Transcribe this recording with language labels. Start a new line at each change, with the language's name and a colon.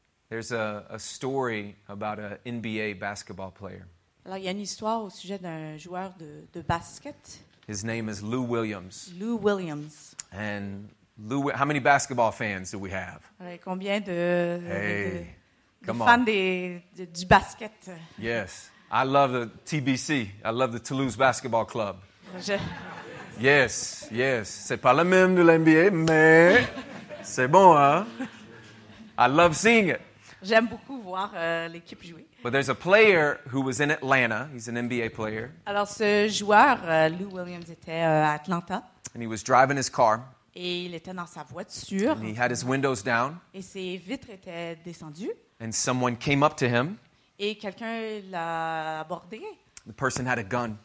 English: There's a story about an NBA basketball player.
French: Alors, il y a une histoire au sujet d'un joueur de basket.
English: His name is Lou Williams. Lou Williams. And Lou, how many basketball fans do we have?
French: Alors, combien de, hey, de fans du basket?
English: Yes. I love the TBC. I love the Toulouse Basketball Club. Yes, yes.
French: C'est pas le même de l'NBA, mais c'est bon, hein?
English: I love seeing it.
French: J'aime beaucoup voir l'équipe jouer.
English: But there's a player who was in Atlanta. He's an NBA player.
French: Alors ce joueur, Lou Williams, était à Atlanta.
English: And he was driving his car.
French: Et il était dans sa voiture.
English: And he had his windows down.
French: Et ses vitres étaient descendues.
English: And someone came up to him.
French: Et quelqu'un l'a abordé.
English: The person had a gun.